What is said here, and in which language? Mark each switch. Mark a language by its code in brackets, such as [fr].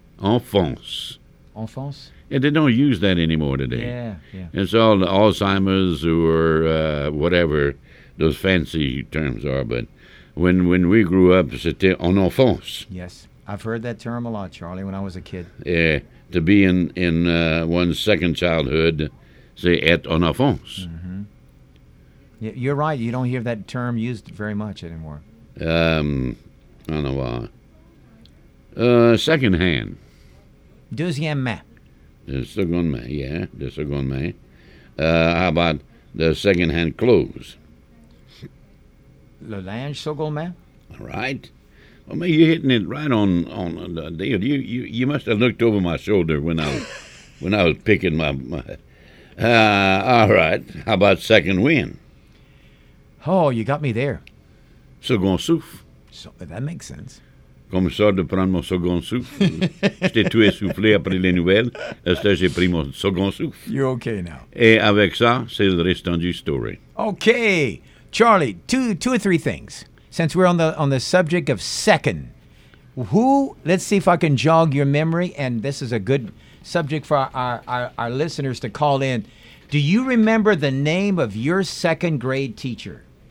[fr] Enfance. Enfance? [en] Yeah, they don't use that anymore today. Yeah, yeah. It's all the Alzheimer's or whatever those fancy terms are, but when we grew up, [fr] c'était en enfance. [en] Yes, I've heard that term a lot, Charlie, when I was a kid. Yeah, to be in one's second childhood, [fr] c'est être en enfance. [en] Mm-hmm. Yeah, you're right, you don't hear that term used very much anymore. I don't know why. Second hand. [fr] Deuxième main. [en] The second main, yeah. The second main. How about the second hand clothes? [fr] Le linge second main. [en] All right. Well, man, you're hitting it right on the deal. You must have looked over my shoulder when I when I was picking my... all right, how about second wind? Oh, you got me there. [fr] Second souffle. [en] So, that makes sense. [fr] Comme ça de prendre mon second souffle. J'étais tout essoufflé après les nouvelles. Est-ce que j'ai pris mon second souffle? [en] You're okay now. [fr] Et avec ça, c'est le restant du story. [en] Okay. Charlie, two or three things. Since we're on the subject of second, let's see if I can jog your memory, and this is a good subject for our listeners to call in. Do you remember the name of your second grade teacher?